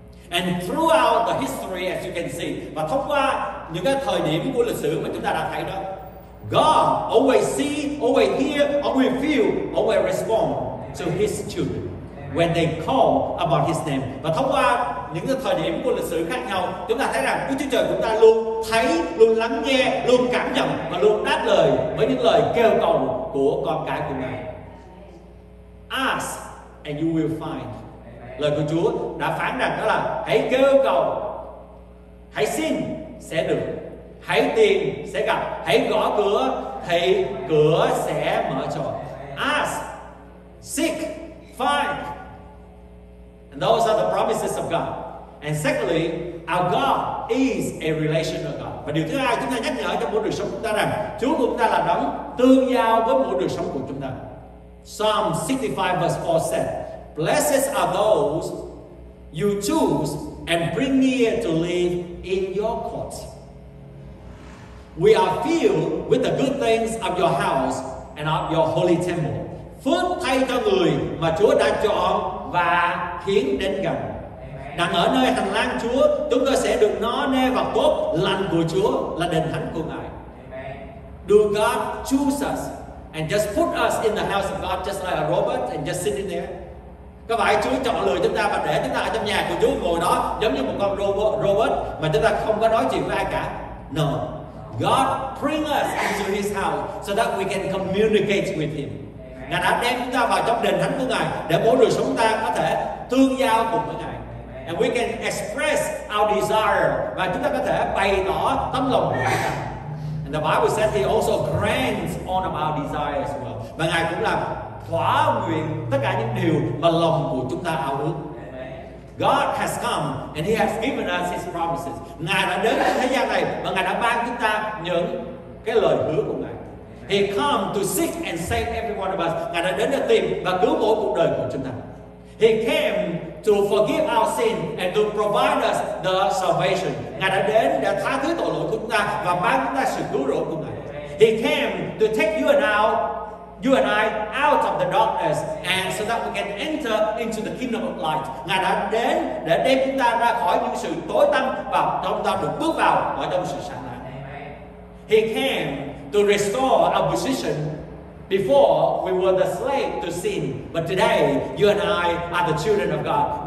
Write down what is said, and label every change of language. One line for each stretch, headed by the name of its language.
English: And throughout the history, as you can see,
Vietnamese: và thông qua những cái thời điểm của lịch sử mà chúng ta đã thấy đó,
English: God always see, always hear, always feel, always respond to His children when they call about His name.
Vietnamese: Và thông qua những cái thời điểm của lịch sử khác nhau, chúng ta thấy rằng Đức Chúa Trời chúng ta luôn thấy, luôn lắng nghe, luôn cảm nhận và luôn đáp lời với những lời kêu cầu của con cái của Ngài.
English: Ask and you will find.
Vietnamese: Lời của Chúa đã phán rằng đó là hãy kêu cầu, hãy xin sẽ được, hãy tìm sẽ gặp, hãy gõ cửa thì cửa sẽ mở cho.
English: Ask, seek, find. And those are the promises of God. And secondly, our God is a relational God.
Vietnamese: Và điều thứ hai chúng ta nhắc nhở cho mỗi đời sống chúng ta rằng Chúa của chúng ta là đấng tương giao với mỗi đời sống của chúng ta.
English: Psalm 65 verse 4 said, "Blessed are those you choose and bring near to live in your courts. We are filled with the good things of your house and of your holy temple."
Vietnamese: Phước thay cho người mà Chúa đã chọn và khiến đến gần. Đang ở nơi hành lang Chúa, chúng tôi sẽ được nó nê vật tốt lành của Chúa là đền thánh của Ngài.
English: Do God choose us and just put us in the house of God just like a robot and just sit in there?
Vietnamese: Có phải Chúa chọn lựa chúng ta và để chúng ta ở trong nhà của Chúa ngồi đó giống như một con robot mà chúng ta không có nói chuyện với ai cả?
English: No. God bring us into His house so that we can communicate with Him.
Vietnamese: Ngài đã đem chúng ta vào trong đền thánh của Ngài để mỗi đời sống ta có thể tương giao cùng với Ngài.
English: And we can express our desire
Vietnamese: và chúng ta có thể bày tỏ tấm lòng của chúng ta.
English: And the Bible says He also grants all of our desires as well.
Vietnamese: Và Ngài cũng làm thỏa nguyện tất cả những điều mà lòng của chúng ta ao ước.
English: God has come and He has given us His promises.
Vietnamese: Ngài đã đến thế gian này và Ngài đã ban chúng ta những cái lời hứa của Ngài.
English: He came to seek and save every one of us.
Vietnamese: Ngài đã đến để tìm và cứu mỗi cuộc đời của chúng ta.
English: He came to forgive our sin and to provide us the salvation.
Vietnamese: Ngài đã đến để tha thứ tội lỗi của chúng ta và ban chúng ta sự cứu rỗi của Ngài.
English: He came to take you and I out of the darkness and so that we can enter into the kingdom of light.
Vietnamese: Ngài đã đến để đem chúng ta ra khỏi những sự tối tăm và chúng ta được bước vào ở trong sự sáng lạn.
English: He came to restore our position. Before we were the slave to sin, but today you and I are the children of God.